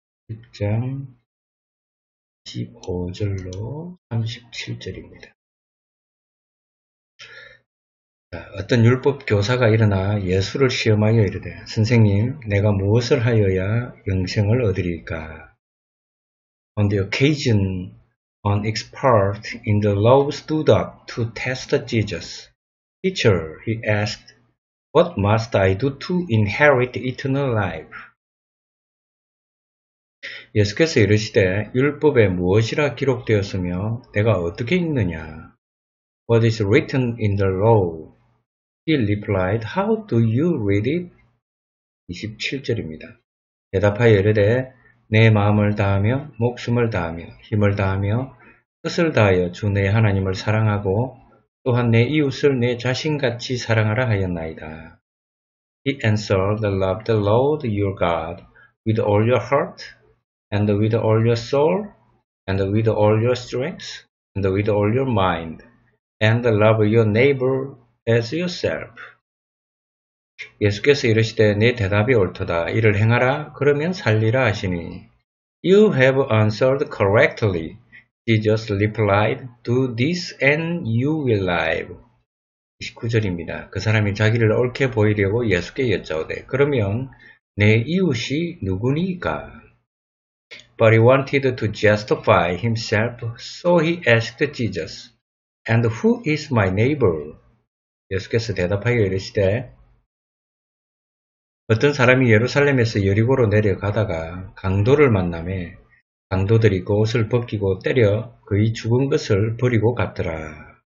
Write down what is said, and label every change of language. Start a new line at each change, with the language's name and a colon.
Korean: 10장 25절로 37절입니다. 어떤 율법 교사가 일어나 예수를 시험하여 이르되 선생님 내가 무엇을 하여야 영생을 얻으리까?
English: On the occasion an expert in the law stood up to test Jesus. Teacher, he asked, What must I do to inherit eternal life?
Korean: 예수께서 이르시되 율법에 무엇이라 기록되었으며 내가 어떻게 읽느냐?
English: What is written in the law? He replied, How do you read it?
Korean: 27절입니다. 대답하여 이르되 내 마음을 다하며 목숨을 다하며 힘을 다하며 뜻을 다하여 주 내 하나님을 사랑하고 또한 내 이웃을 내 자신같이 사랑하라 하였나이다.
English: He answered, Love the Lord your God with all your heart and with all your soul and with all your strength and with all your mind and love your neighbor as yourself.
Korean: 예수께서 이르시되 내 대답이 옳도다. 이를 행하라. 그러면 살리라 하시니.
English: You have answered correctly. Jesus replied, Do this and you will live.
Korean: 29절입니다. 그 사람이 자기를 옳게 보이려고 예수께 여쭤오되 그러면 내 이웃이 누구니까?
English: But he wanted to justify himself, so he asked Jesus, And who is my neighbor?
Korean: 예수께서 대답하여 이르시되, 어떤 사람이 예루살렘에서 여리고로 내려가다가 강도를 만나매 강도들이 그 옷을 벗기고 때려 그의 죽은 것을 버리고 갔더라.